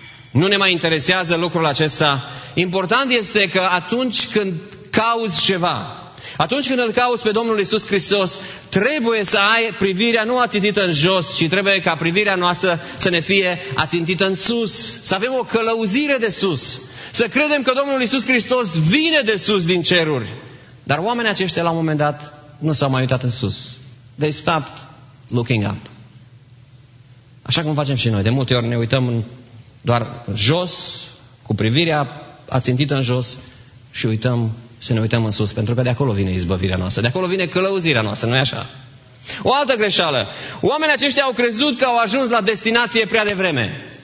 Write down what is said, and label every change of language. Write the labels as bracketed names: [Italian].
[Romanian] Nu ne mai interesează lucrul acesta. Important este că atunci când cauți ceva, atunci când îl cauți pe Domnul Iisus Hristos, trebuie să ai privirea nu ațintită în jos, ci trebuie ca privirea noastră să ne fie ațintită în sus. Să avem o călăuzire de sus. Să credem că Domnul Iisus Hristos vine de sus din ceruri. Dar oamenii aceștia la un moment dat nu s-au mai uitat în sus. [English] They stopped looking up. [Romanian] Așa cum facem și noi. De multe ori ne uităm doar jos, cu privirea ațintită în jos și uităm să ne uităm în sus, pentru că de acolo vine izbăvirea noastră, de acolo vine călăuzirea noastră, nu-i așa? O altă greșeală. Oamenii aceștia au crezut că au ajuns la destinație prea devreme.